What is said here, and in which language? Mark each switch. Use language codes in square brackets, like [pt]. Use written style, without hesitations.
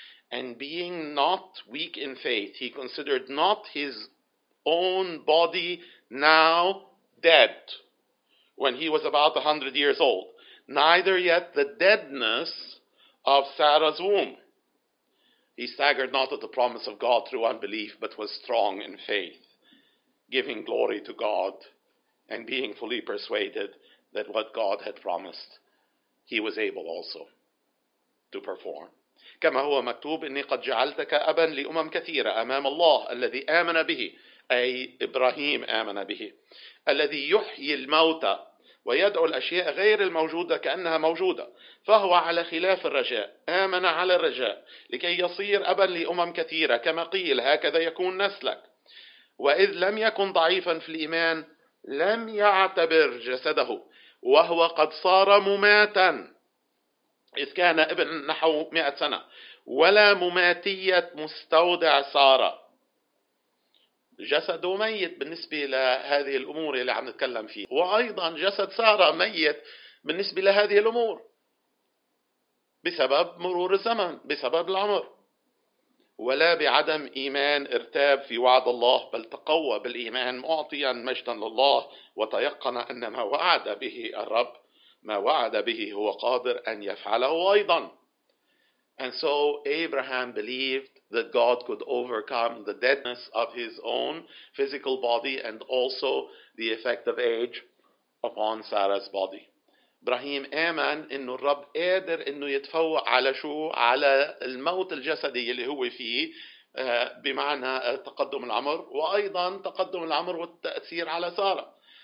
[en] And being not weak in faith, he considered not his own body now dead, when he was about 100 years old, neither yet the deadness of Sarah's womb. He staggered not at the promise of God through unbelief, but was strong in faith, giving glory to God, and being fully persuaded that what God had promised, he was able also to perform. [ar] كما هو مكتوب إني قد جعلتك أبا لأمم كثيرة أمام الله الذي آمن به، أي إبراهيم آمن به، الذي يحيي الموتى ويدعو الأشياء غير الموجودة كأنها موجودة، فهو على خلاف الرجاء آمن على الرجاء لكي يصير أبا لأمم كثيرة، كما قيل هكذا يكون نسلك. وإذ لم يكن ضعيفا في الإيمان لم يعتبر جسده وهو قد صار مماتا، إذ كان ابن نحو 100 سنة، ولا مماتية مستودع سارة. جسده ميت بالنسبة لهذه الأمور اللي عم نتكلم فيها، وأيضا جسد سارة ميت بالنسبة لهذه الأمور بسبب مرور الزمن، بسبب العمر. ولا بعدم إيمان ارتاب في وعد الله، بل تقوى بالإيمان معطيا مجدا لله، وتيقن أن ما وعد به الرب، ما وعد به هو قادر أن يفعله أيضا. [en] And so Abraham believed that God could overcome the deadness of his own physical body and also the effect of age upon Sarah's body. [ar] إبراهيم آمن إنه الرب قادر إنه يتفوق على شو؟ على الموت الجسدي اللي هو فيه، بمعنى تقدم العمر، وأيضا تقدم العمر والتأثير على سارة.